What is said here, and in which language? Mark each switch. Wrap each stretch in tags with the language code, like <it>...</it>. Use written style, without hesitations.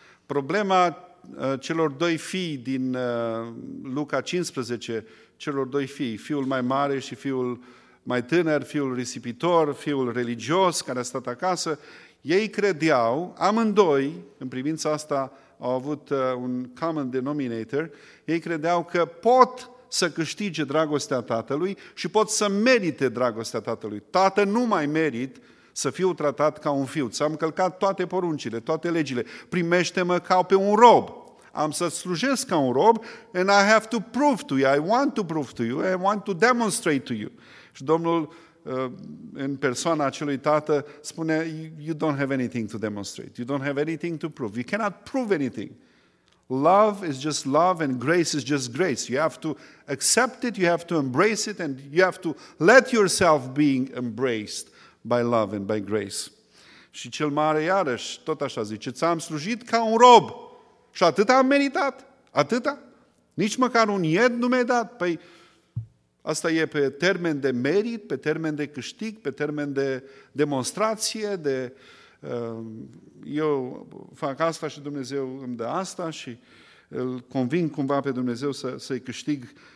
<ro>Problema celor doi fii din Luca 15, celor doi fii, fiul mai mare și fiul mai tânăr, fiul risipitor, fiul religios care a stat acasă, ei credeau, amândoi, în privința asta au avut un</ro> <en>common denominator,</en> <ro>ei credeau că pot să câștige dragostea tatălui și pot să merite dragostea tatălui. Tată, nu mai merit să fiu tratat ca un fiu. Ți-am călcat toate poruncile, toate legile. Primește-mă ca pe un rob. Am să-ți slujesc ca un rob</ro> <en>and I have to prove to you, I want to prove to you, I want to demonstrate to you.</en> <ro>Și Domnul, în persoana acelui tată, spune,</ro> <en>you don't have anything to demonstrate, you don't have anything to prove, you cannot prove anything. Love is just love and grace is just grace. You have to accept it, you have to embrace it and you have to let yourself being embraced by love and by grace.</en> <ro>Și cel mare iarăși tot așa zice, ți-am slujit ca un rob și atâta am meritat, atâta. Nici măcar un ied nu mi-ai dat. Păi asta e pe termen de merit, pe termen de câștig, pe termen de demonstrație, de eu fac asta și Dumnezeu îmi dă asta și îl convinc cumva pe Dumnezeu să-i câștig</ro>